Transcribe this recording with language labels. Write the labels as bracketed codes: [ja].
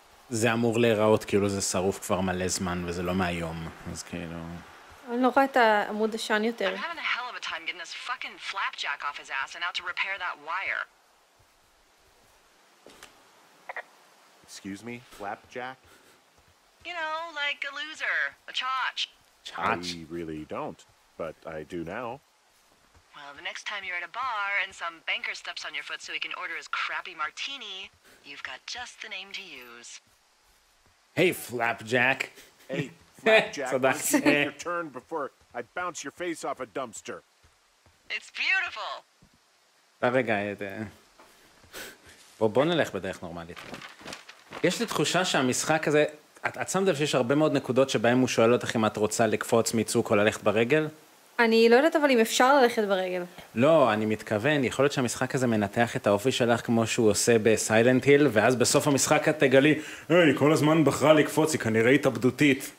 [he] זה אמור להיראות כאילו זה שרוף כבר מלא זמן וזה לא מהיום, אז כאילו... אני לא רואה את העמוד השן יותר. [en] I'm having a hell of a time getting this fucking flapjack off his ass and out to repair that wire. Excuse me, flapjack? You know, like a loser, a chotch. Chotch? I really don't, but I do now. Well, the next time you're at a bar and some banker steps on your foot so he can order his crappy martini, you've got just the name to use. Hey, flapjack. Hey, flapjack, so that's you your turn before I bounce your face off a dumpster. It's beautiful. [he] רגע, גאי, בוא נלך בדרך נורמלית. יש לי תחושה שהמשחק הזה, את שם דבר שיש הרבה מאוד נקודות שבהם הוא שואל אותך אם את רוצה לקפוץ מיצוק או ללכת ברגל? אני לא יודעת אבל אם אפשר ללכת ברגל. לא, אני מתכוון, יכול להיות שהמשחק הזה מנתח את האופי שלך כמו שהוא עושה בסיילנט היל, ואז בסוף המשחק את תגלי, היי, כל הזמן בחרה לקפוץ, היא כנראה התאבדותית.